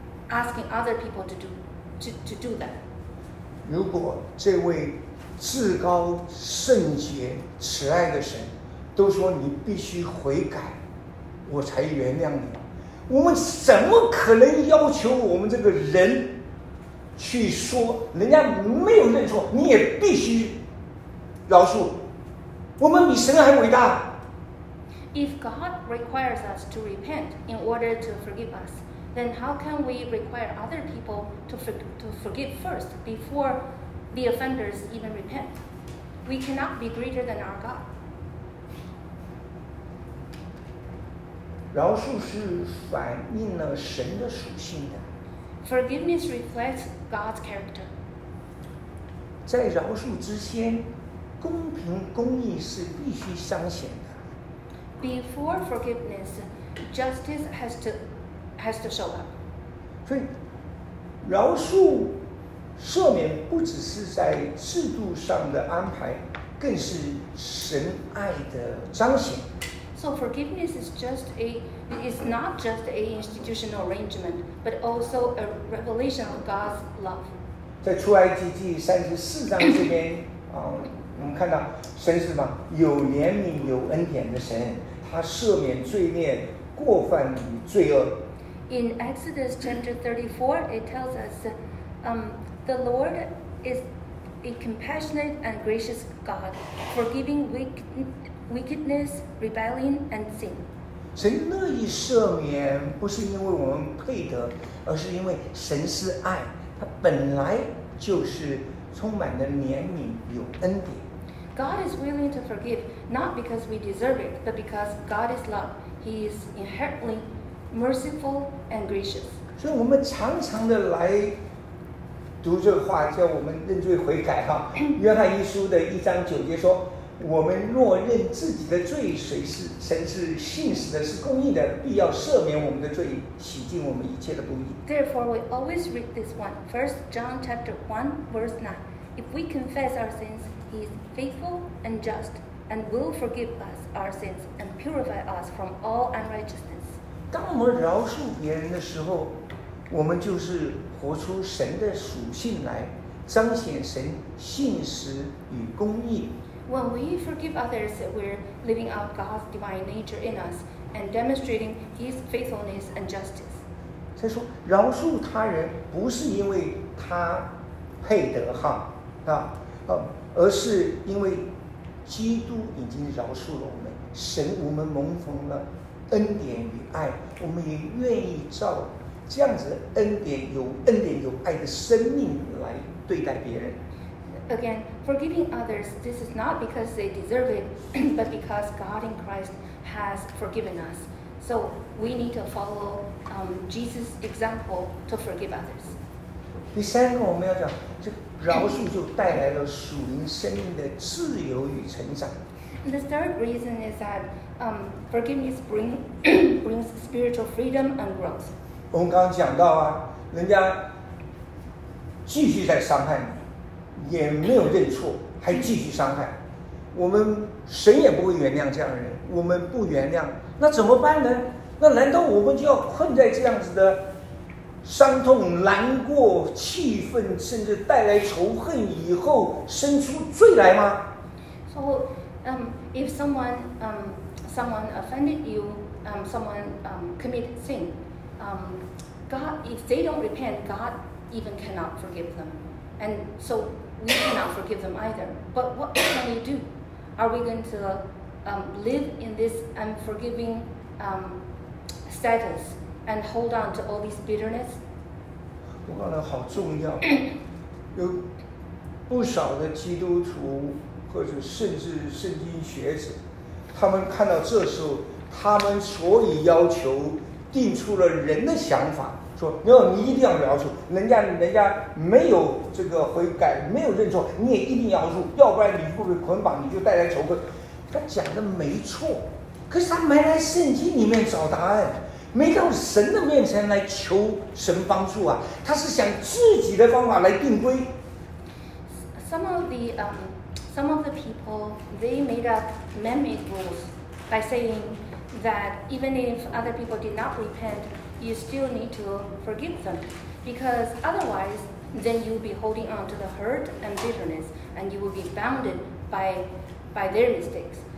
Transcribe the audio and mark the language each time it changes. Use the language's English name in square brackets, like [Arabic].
[English] Asking other people to do that. [Chinese] 如果这位至高圣洁慈爱的神都说你必须悔改，我才原谅你，我们怎么可能要求我们这个人去说人家没有认错，你也必须饶恕？我们比神还伟大。 [English] If God requires us to repent in order to forgive us. Then how can we require other people to forgive first before the offenders even repent? We cannot be greater than our God. [Chinese] 饶恕是反映了神的属性的。 [English] Forgiveness reflects God's character. [Chinese] 在饶恕之前，公平公义是必须彰显的。 [English] Before forgiveness, justice has to show up. [Chinese] 所以饶恕赦免不只是在制度上的安排，更是神爱的彰显。 [English] So forgiveness is not just a institutional arrangement, but also a revelation of God's love. [Chinese] 在出埃及记34章这边啊，我们看到神是什么？有怜悯、有恩典的神，他赦免罪孽、过犯与罪恶。 [English] In Exodus chapter 34, it tells us, the Lord is a compassionate and gracious God, forgiving wickedness, rebellion, and sin. [Chinese] 神乐意赦免，不是因为我们配得，而是因为神是爱，他本来就是充满了怜悯，有恩典。 [English] God is willing to forgive, not because we deserve it, but because God is love. He is inherently merciful and gracious. [Chinese] 所以我们常常的来读这个话，叫我们认罪悔改哈。约翰一书的1:9说，我们若认自己的罪，神是信实的，是公义的，必要赦免我们的罪，洗净我们一切的不义。 [English] Therefore, we always read this one. 1 John 1:9. If we confess our sins, He is faithful and just, and will forgive us our sins and purify us from all unrighteousness. [Chinese] 当我们饶恕别人的时候，我们就是活出神的属性来，彰显神信实与公义。 [English] When we forgive others, we're living out God's divine nature in us and demonstrating His faithfulness and justice. [Chinese] 他说饶恕他人不是因为他配得哈啊，而是因为基督已经饶恕了我们，神我们蒙逢了恩典与爱，我们也愿意照这样子恩典有恩典有爱的生命来对待别人。 [English] Again, forgiving others, this is not because they deserve it, but because God in Christ has forgiven us. So we need to follow Jesus' example to forgive others. [Chinese] 第三个我们要讲，就饶恕就带来了属灵生命的自由与成长。 [English] And the third reason is that forgiveness brings spiritual freedom and growth. [Chinese] 我们刚刚讲到啊，人家继续在伤害你。也没有认错，还继续伤害，我们神也不会原谅这样的人，我们不原谅，那怎么办呢？那难道我们就要困在这样子的伤痛、难过、气愤，甚至带来仇恨以后生出罪来吗 [English] ？So, if someone offended you, committed sin, God, if they don't repent, God even cannot forgive them, and so. We cannot forgive them either. But what can we do? Are we going to live in this unforgiving status and hold on to all this bitterness? [Chinese] 我讲的好重要。有不少的基督徒或者甚至圣经学者，他们看到这时候，他们所以要求定出了人的想法。说你一定要饶恕人家，人家没有这个悔改，没有认错，你也一定要饶恕，要不然你会被捆绑，你就带来仇恨。他讲的没错，可是他没来圣经里面找答案，没到神的面前来求神帮助啊，他是想自己的方法来定规。 [English] Some of the people they made up man-made rules by saying that even if other people did not repent. You still need to forgive them because otherwise then you'll be holding on to the hurt and bitterness and you will be bounded by their mistakes.